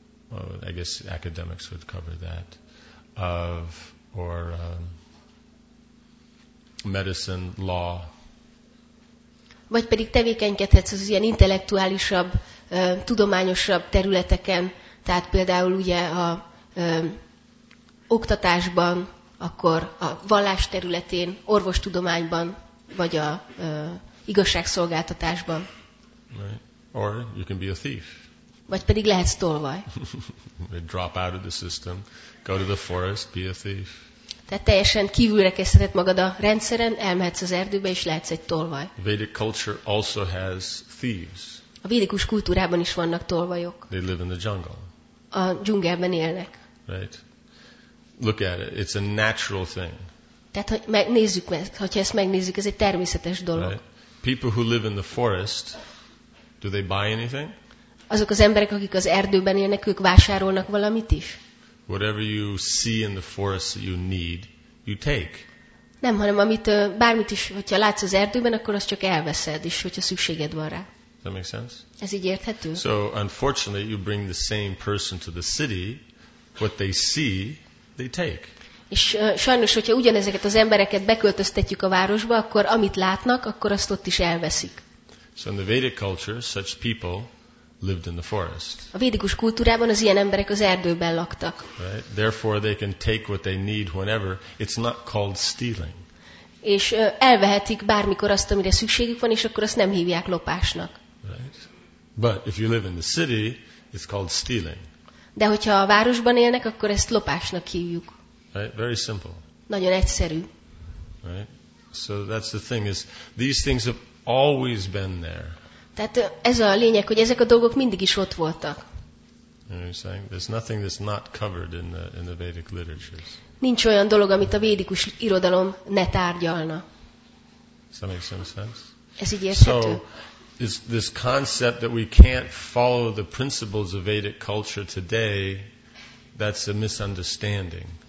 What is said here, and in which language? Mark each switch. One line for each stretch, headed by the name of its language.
English: Well, I guess academics would cover that, medicine, law.
Hungarian: Vagy pedig tevékenykedhetsz az ilyen intellektuálisabb, tudományosabb területeken, tehát például ugye a oktatásban, akkor a vallás területén, orvostudományban, vagy a igazságszolgáltatásban.
English: Right. Or you can be a thief.
Hungarian: Vagy pedig lehetsz tolvaj.
English: Drop out of the system, go to the forest, be a thief.
Hungarian: Tehát teljesen kívülre kezdheted magad a rendszeren, elmehetsz az erdőbe, és lehetsz egy tolvaj.
English: Vedic culture also has thieves.
Hungarian: A védikus kultúrában is vannak tolvajok.
English: They live in the jungle.
Hungarian: A dzsungelben élnek.
English: Right. Look at it. It's a natural thing.
Hungarian: Tehát, ha ezt megnézzük, ez egy természetes dolog.
English: Right. People who live in the forest, do they buy anything?
Hungarian: Azok az emberek, akik az erdőben élnek, ők vásárolnak valamit is?
English: Whatever you see in the forest that you need, you take.
Hungarian: Nem, hanem amit bármit is, hogyha látsz az erdőben, akkor azt csak elveszed is, hogyha szükséged van rá.
English: Does that make sense?
Hungarian: Ez így érthető?
English: So unfortunately, you bring the same person to the city, what they see, they take.
Hungarian: És sajnos, hogyha ugyanezeket az embereket beköltöztetjük a városba, akkor amit látnak, akkor azt ott is elveszik.
English: So in the Vedic culture, such people lived in the forest.
Hungarian: A védikus kultúrában az ilyen emberek az erdőben laktak.
English: Right? Therefore they can take what they need whenever. It's not called stealing.
Hungarian: És elvehetik bármikor azt, amire szükségük van, és akkor azt nem hívják lopásnak.
English: Right? But if you live in the city, it's called stealing.
Hungarian: De hogyha a városban élnek, akkor ezt lopásnak hívjuk.
English: Right? Very simple.
Hungarian: Nagyon egyszerű.
English: Right? So that's the thing is, these things have always been there.
Hungarian: Tehát ez a lényeg, hogy ezek a dolgok mindig is ott voltak.
English: There's nothing that's not covered in the Vedic literatures.
Hungarian: Nincs olyan dolog, amit a védikus irodalom ne tárgyalna.
English: Does that make some sense?
Hungarian: Ez így érthető.
English: So is this concept that we can't follow the principles of Vedic culture today, that's a misunderstanding.